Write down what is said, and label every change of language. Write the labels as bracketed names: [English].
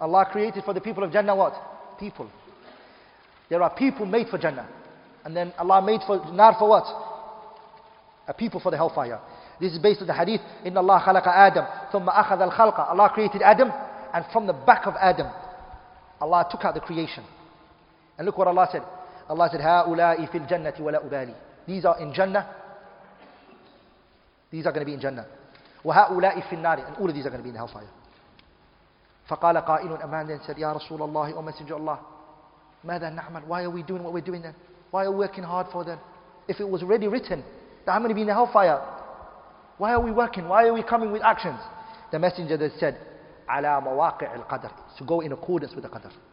[English] Allah created for the people of Jannah what? People. There are people made for Jannah. And then Allah made for nar for what? A people for the hellfire. This is based on the hadith. [Arabic] Inna Allah khalaqa Adam, thumma akhadha al-khalqa. [English] Allah created Adam, and from the back of Adam, Allah took out the creation. And look what Allah said. Allah said, [Arabic] هَؤُلَاءِ فِي الْجَنَّةِ وَلَا أُبَالِي. [English] These are in Jannah. These are going to be in Jannah. [Arabic] وَهَؤُلَاءِ فِي النَّارِ. [English] And all of these are going to be in the hellfire. [Arabic] فقال قائل أمان [English] then said [Arabic] يا رسول الله أو [English] messenger [Arabic] الله ماذا نعمل [English] why are we doing what we're doing then why are we working hard for them if it was already written that I'm going to be in the hellfire why are we working why are we coming with actions the messenger then said [Arabic] على مواقع القدر [English] to go in accordance with the qadr